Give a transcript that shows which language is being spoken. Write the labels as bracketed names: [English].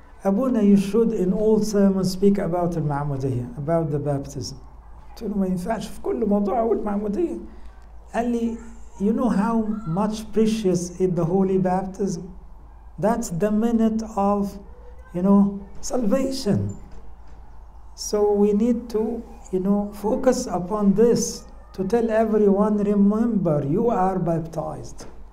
[English] Abuna, you should in all sermons speak about المعمودية, about the baptism. [Arabic] تقول ما ينفعش في كل موضوع أقول المعمودية. قال لي [English] you know how much precious is the holy baptism? That's the minute of, you know, salvation. So we need to, you know, focus upon this to tell everyone, remember, you are baptized.